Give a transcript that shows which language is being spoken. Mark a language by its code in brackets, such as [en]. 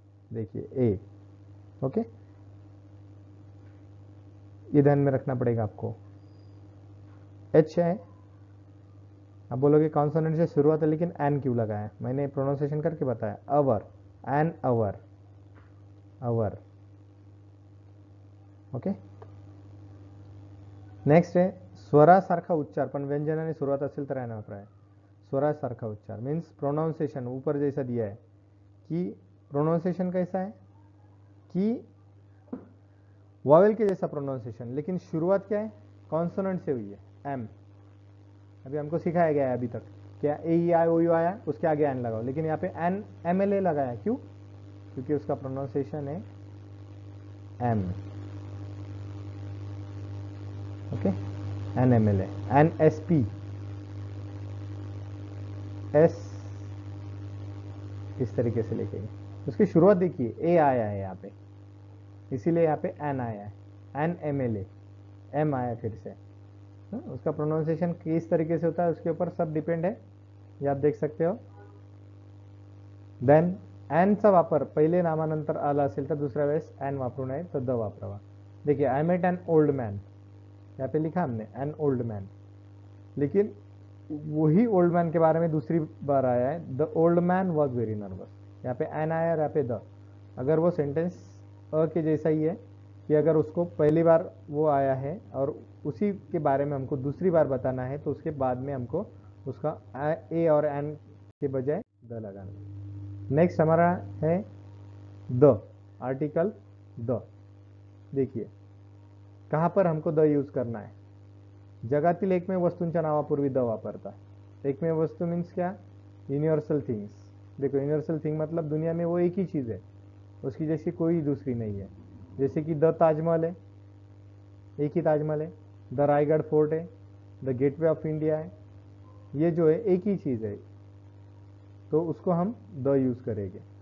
[hi] देखिए ए, ओके, ये ध्यान में रखना पड़ेगा आपको. एच है, अब बोलोगे कॉन्सोनेंट से शुरुआत है लेकिन एन क्यों लगाया, मैंने प्रोनाउंसिएशन करके बताया, अवर, एन अवर, अवर. [mr] Okay next है स्वरा सारखा उच्चार, पण व्यंजनाने सुरुवात असेल तर एन वापराय. [hi] स्वरा सारखा उच्चार मीन्स प्रोनाउंसिएशन ऊपर जैसा दिया है कि प्रोनाउंसिएशन कैसा है कि वॉवेल के जैसा प्रोनाउंसिएशन, लेकिन शुरुआत क्या है, कॉन्सोनेंट से हुई है, एम. अभी हमको सिखाया गया है अभी तक क्या, ए आई ओ यू आया उसके आगे एन लगाओ, लेकिन यहाँ पे एन एम एल ए लगाया, क्यों, क्योंकि उसका प्रोनाउंसिएशन है M. Okay N M L A, N S P, S इस तरीके से लिखेंगे. उसकी शुरुआत देखिए, ए आया है यहाँ पे, इसीलिए यहाँ पे एन आया है, N M L A, M आया फिर से. उसका प्रोनाउंसिएशन किस तरीके से होता है उसके ऊपर सब डिपेंड है, ये आप देख सकते हो. [mr] देन एन चा वापर पहिले नामानंतर आला असेल तर दुसऱ्या वेळेस एन वापरू नये, तर द वापरावा. [hi] देखिए [en] I met an old man, [hi] यहाँ पे लिखा हमने एन ओल्ड मॅन, लेकिन वही ओल्ड मॅन के बारे में दूसरी बार आया है, [en] The old man was very nervous. [hi] यहाँ पे एन आया और यहाँ पे द, अगर वो सेंटेंस अ के जैसा ही है कि अगर उसको पहली बार वो आया है और उसी के बारे में हमको दूसरी बार बताना है, तो उसके बाद में हमको उसका ए और एन के बजाय द लगाना. नेक्स्ट हमारा है द, आर्टिकल द. देखिए कहाँ पर हमको द यूज करना है, [mr] जगातील एकमेव वस्तूंच्या नावापूर्वी द वापरता. [hi] एकमेव वस्तु मीन्स क्या, युनिवर्सल थिंग्स. देखो युनिवर्सल थिंग मतलब दुनिया में वो एक ही चीज़ है, उसकी जैसी कोई दूसरी नहीं है. जैसे कि द ताजमहल है, एक ही ताजमहल है. द रायगढ़ फोर्ट है, द गेटवे ऑफ इंडिया है, ये जो है एक ही चीज़ है, तो उसको हम द यूज़ करेंगे.